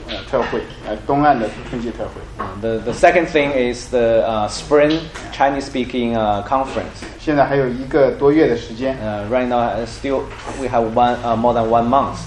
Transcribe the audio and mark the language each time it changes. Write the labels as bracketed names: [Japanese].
[English] The second thing is the spring Chinese speaking conference. [Chinese] 现在还有一个多月的时间。 [English] Right now, still we have more than 1 month.